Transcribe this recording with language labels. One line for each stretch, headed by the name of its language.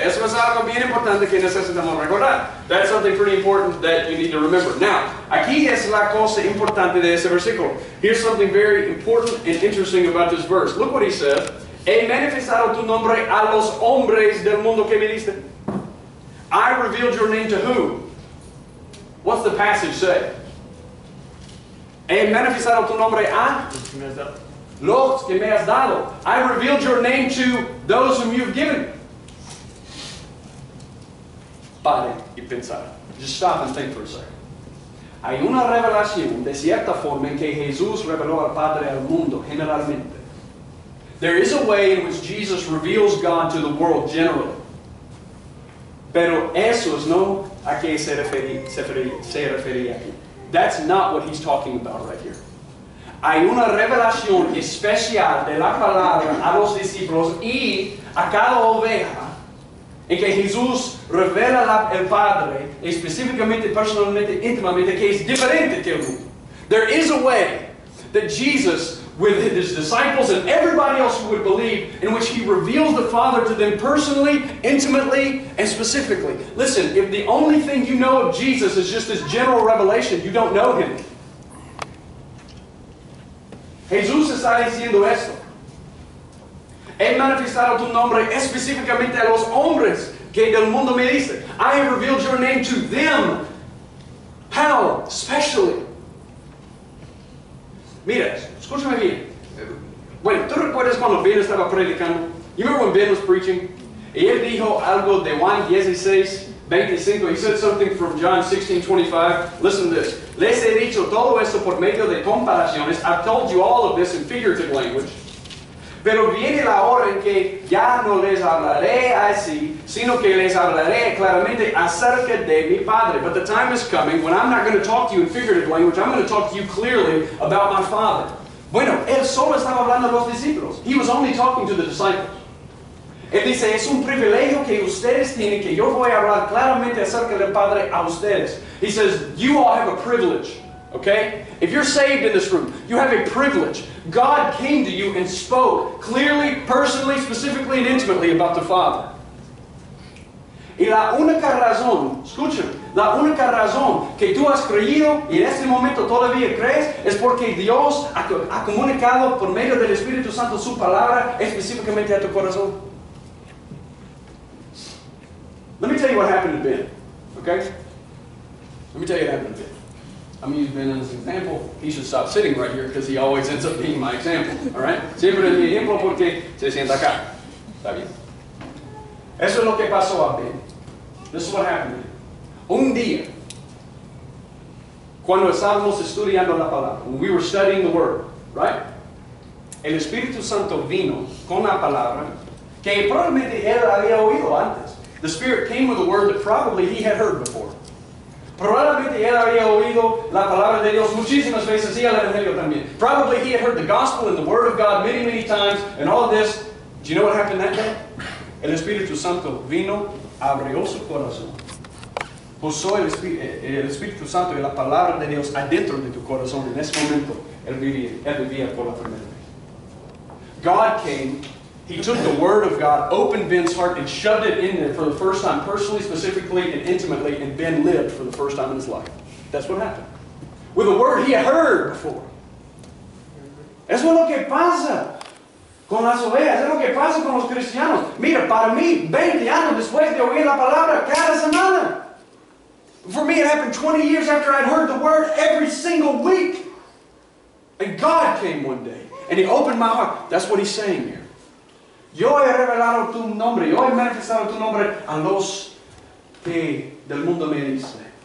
Spanish: Eso es algo bien importante que necesitamos recordar.
English: That's something pretty important that you need to remember.
Spanish: Now, aquí es la cosa importante de ese versículo.
English: Here's something very important and interesting about this verse. Look what he said.
Spanish: He manifestado tu nombre a los hombres del mundo que me diste.
English: I revealed your name to who? What's the passage say?
Spanish: He manifestado tu nombre a los que me has dado.
English: I revealed your name to those whom you've given.
Spanish: Pare y pensar.
English: Just stop and think for a second.
Spanish: Hay una revelación de cierta forma en que Jesús reveló al Padre al mundo generalmente.
English: There is a way in which Jesus reveals God to the world generally.
Spanish: Pero eso es no a qué se refería aquí.
English: That's not what he's talking about right here.
Spanish: Hay una revelación especial de la palabra a los discípulos y a cada oveja en que Jesús revela al Padre específicamente, personalmente, íntimamente, que es diferente que el mundo.
English: There is a way that Jesus, with his disciples and everybody else who would believe, in which he reveals the Father to them personally, intimately, and specifically. Listen, if the only thing you know of Jesus is just this general revelation, you don't know him.
Spanish: Jesús está diciendo esto. He manifestado tu nombre específicamente a los hombres que del mundo me diste.
English: I have revealed your name to them. How? Specially.
Spanish: Mira, escúchame bien. Bueno, ¿tú recuerdas cuando Ben estaba predicando?
English: You remember when Ben was preaching?
Spanish: Y él dijo algo de Juan 16:25.
English: He said something from John 16:25. Listen to this.
Spanish: Les he dicho todo esto por medio de comparaciones.
English: I've told you all of this in figurative language.
Spanish: Pero viene la hora en que ya no les hablaré así, sino que les hablaré claramente acerca de mi Padre.
English: But the time is coming when I'm not going to talk to you in figurative language, I'm going to talk to you clearly about my Father.
Spanish: Bueno, él solo estaba hablando a los discípulos.
English: He was only talking to the disciples.
Spanish: Él dice, es un privilegio que ustedes tienen que yo voy a hablar claramente acerca del Padre a ustedes.
English: He says, you all have a privilege. Okay? If you're saved in this room, you have a privilege. God came to you and spoke clearly, personally, specifically, and intimately about the Father. Y la única razón, escúchame, la única razón que tú has creído y en este momento todavía crees es porque Dios ha comunicado por medio del Espíritu Santo su palabra específicamente a tu corazón. Let me tell you what happened to Ben. Okay? Let me tell you what happened to Ben. I'm going to use Ben as an example. He should stop sitting right here because he always ends up being my example. All right?
Spanish: Siempre es mi ejemplo porque se sienta acá. Está bien. Eso es lo que pasó a Ben.
English: This is what happened.
Spanish: Un día, cuando estábamos estudiando la palabra,
English: when we were studying the word, right?
Spanish: El Espíritu Santo vino con la palabra que probablemente él había oído antes.
English: The Spirit came with a word that probably he had heard before.
Spanish: Probablemente él había oído la palabra de Dios muchísimas veces y el Evangelio también.
English: Probably he had heard the gospel and the word of God many, many times and all of this. Do you know what happened that day?
Spanish: El Espíritu Santo vino, abrió su corazón. Puso el Espíritu Santo y la palabra de Dios adentro de tu corazón. En ese momento, él vivía por la primera vez.
English: God came. He took the word of God, opened Ben's heart, and shoved it in there for the first time, personally, specifically, and intimately, and Ben lived for the first time in his life. That's what happened. With a word he had heard before.
Spanish: Eso es lo que pasa con las ovejas. Eso es lo que pasa con los cristianos. Mira, para mí, 20 años después de oír la palabra cada semana.
English: For me, it happened 20 years after I'd heard the word every single week. And God came one day, and he opened my heart. That's what he's saying here.
Spanish: Yo he revelado tu nombre, yo he manifestado tu nombre a los que del mundo me dice.